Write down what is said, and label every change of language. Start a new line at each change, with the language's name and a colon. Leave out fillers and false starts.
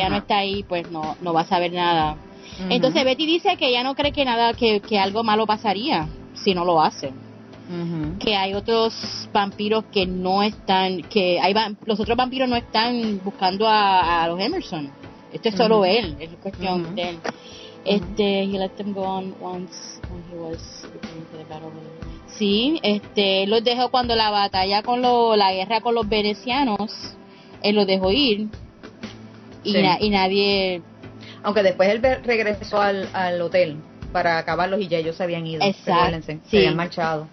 Spanish: ella no está ahí, pues no va a saber nada. Uh-huh. Entonces Betty dice que ella no cree que nada, que algo malo pasaría si no lo hace. Uh-huh. Que hay otros vampiros que no están, los otros vampiros no están buscando a los Emerson. Esto es uh-huh. solo él, es cuestión uh-huh. de él. Uh-huh.
English: He let them go on once when he was returning to the battle.
Spanish: Sí, él los dejó cuando la batalla con la guerra con los venecianos, él los dejó ir y, sí. y nadie... Aunque después él regresó al hotel para acabarlos y ya ellos se habían ido. Exacto. Sí. Se habían marchado.